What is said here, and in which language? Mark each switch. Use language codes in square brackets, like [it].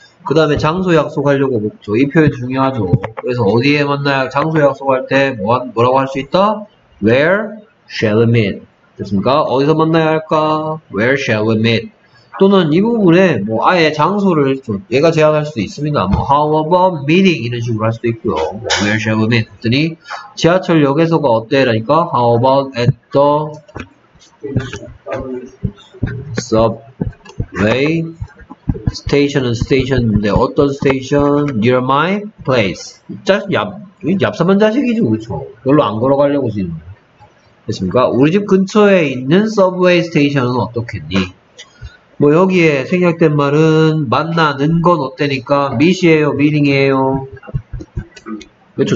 [ko] 그 다음에 장소 약속하려고 먹죠. 이 표현 중요하죠. 그래서 어디에 만나야 장소 약속할 때 뭐라고 할 수 있다? [en] Where shall we meet? [ko] 됐습니까? 어디서 만나야 할까? [en] Where shall we meet? [ko] 또는 이 부분에 뭐 아예 장소를 좀 얘가 제안할 수도 있습니다. [en] 뭐 How about meeting? [ko] 이런 식으로 할 수도 있고요. [en] Where shall we meet? [ko] 했더니 지하철역에서가 어때? 라니까 [en] How about at the subway station은 station인데 [ko] 어떤 [en] station? Near my place. [ko] 얍삼한 자식이죠. 그렇죠? 별로 안 걸어가려고 지금. 됐습니까? 우리 집 근처에 있는 subway station은 어떻겠니? 뭐 여기에 생략된 말은 만나는 건 어때니까 meet이에요, meeting이에요. 그렇죠.